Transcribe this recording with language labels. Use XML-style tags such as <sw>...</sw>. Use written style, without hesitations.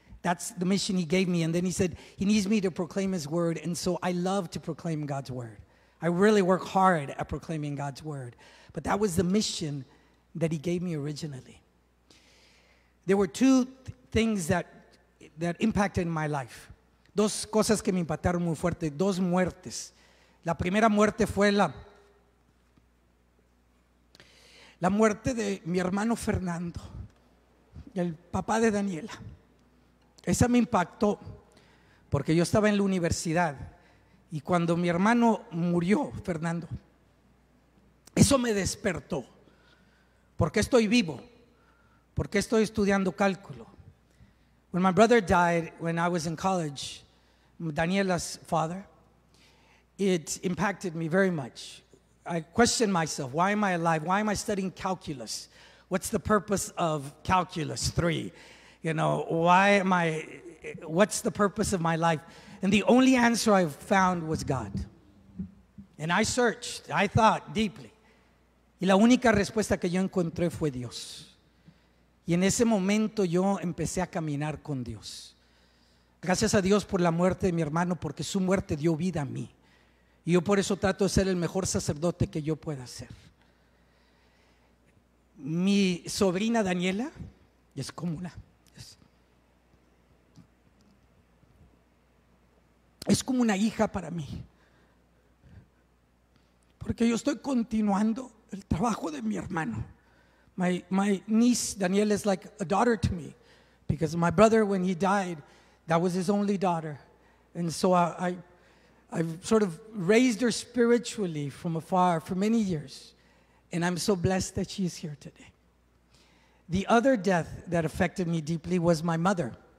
<en>That's the mission he gave me. And then he said, he needs me to proclaim his word. And so I love to proclaim God's word. I really work hard at proclaiming God's word. But that was the mission that he gave me originally. There were two things that impacted my life.</en> <es>Dos cosas que me impactaron muy fuerte. Dos muertes. La primera muerte fue la muerte de mi hermano Fernando, el papá de Daniela. Esa me impactó porque yo estaba en la universidad y cuando mi hermano murió, Fernando, eso me despertó. ¿Por qué estoy vivo? ¿Por qué estoy estudiando cálculo?</es> <en>When my brother died when I was in college, Daniela's father, it impacted me very much. I questioned myself, why am I alive? Why am I studying calculus? What's the purpose of calculus 3? You know, why am I, what's the purpose of my life? And the only answer I found was God. And I searched, I thought deeply.</en> <es>Y la única respuesta que yo encontré fue Dios. Y en ese momento yo empecé a caminar con Dios. Gracias a Dios por la muerte de mi hermano, porque su muerte dio vida a mí. Y yo por eso trato de ser el mejor sacerdote que yo pueda ser. Mi sobrina Daniela es como una. Es como una hija para mí. Porque yo estoy continuando el trabajo de mi hermano.</es> <en>My niece Daniela is like a daughter to me. Because my brother, when he died, that was his only daughter. And so I've sort of raised her spiritually from afar for many years. And I'm so blessed that she is here today. The other death that affected me deeply was my mother.</en>